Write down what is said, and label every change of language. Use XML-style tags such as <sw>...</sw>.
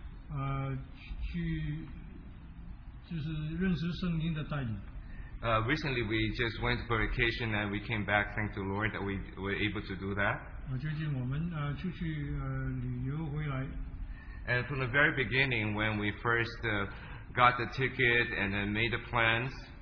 <en>Recently we just went for vacation and we came back, thank the Lord that we were able to do that.</en> <zh>最近我们出去旅游回来。</zh> <en>And from the very beginning, when we first got the ticket and then made the plans,</en>